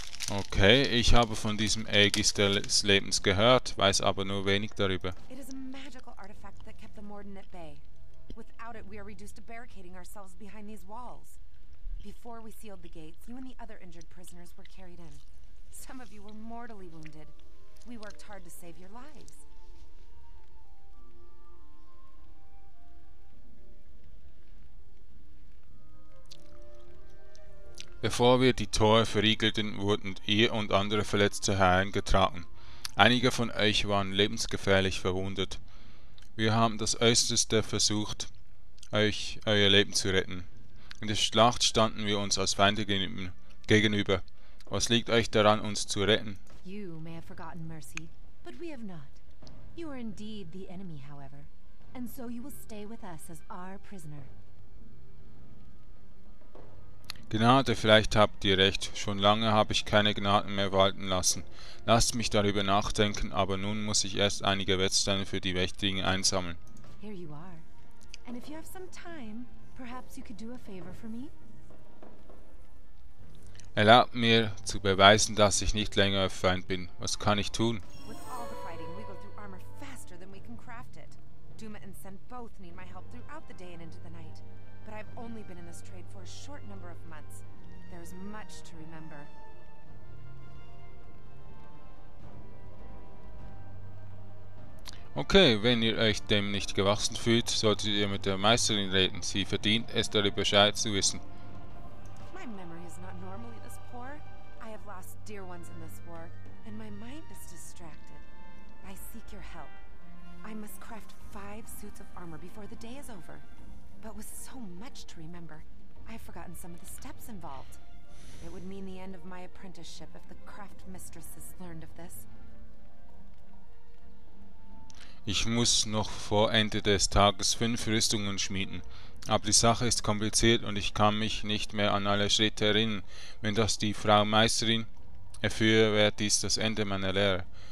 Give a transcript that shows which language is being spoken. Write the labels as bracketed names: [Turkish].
[German] Okay, ich habe von diesem Aegis des Lebens gehört, weiß aber nur wenig darüber. [English] It is a magical artifact that kept the Morden at bay. Without it, we are reduced to barricading ourselves behind these walls. Before we sealed the gates, you and the other injured prisoners were carried in. Some of you were mortally wounded. We worked hard to save your lives. [German] Bevor wir die Tore verriegelten, wurden ihr und andere Verletzte hereingetragen. Einige von euch waren lebensgefährlich verwundet. Wir haben das Äußerste versucht, euch euer Leben zu retten. In der Schlacht standen wir uns als Feinde gegenüber. Was liegt euch daran, uns zu retten? [English] You may have forgotten mercy, but we have not. You are indeed the enemy, however. And so you will stay with us as our prisoner. [German] Gnade, vielleicht habt ihr recht. Schon lange habe ich keine Gnaden mehr walten lassen. Lasst mich darüber nachdenken, aber nun muss ich erst einige Wettsteine für die Wächtigen einsammeln. [English] Here you are. And if you have some time, perhaps you could do a favor for me? [German] Erlaubt mir zu beweisen, dass ich nicht länger euer Feind bin. Was kann ich tun? [English] With all the fighting, we go through armor faster than we can craft it. Duma and Sen both need my help throughout the day and into the night. But I've only been in this trade for a short number of months. There's much to remember. [German] Okay, wenn ihr euch dem nicht gewachsen fühlt, solltet ihr mit der Meisterin reden. Sie verdient es, darüber Bescheid zu wissen. [English] My memory is not normally this poor. I have lost dear ones in this war, and my mind is distracted. I seek your help. I must craft 5 suits of armor before the day is over. But with so much to remember, I have forgotten some of the steps involved. It would mean the end of my apprenticeship if the craft mistresses learned of this. [German] Ich muss noch vor Ende des Tages 5 Rüstungen schmieden. Aber die Sache ist kompliziert und ich kann mich nicht mehr an alle Schritte erinnern. Wenn das die Frau Meisterin erführe, wäre dies das Ende meiner Lehre.